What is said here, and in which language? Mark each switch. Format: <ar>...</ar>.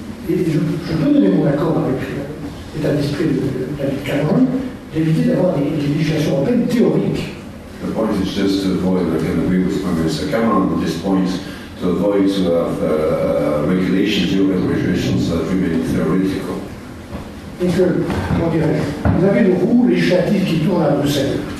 <fr>Et je peux donner mon accord avec l'état d'esprit de David Cameron, d'éviter d'avoir des législations européennes théoriques.</fr> <en>The point is just to avoid, I can agree with Prime Minister Cameron at this point, to avoid to have regulations, European regulations that remain theoretical.</en> <fr>Et que, comment dirais-je, vous avez une roue législative qui tourne à Bruxelles.</fr>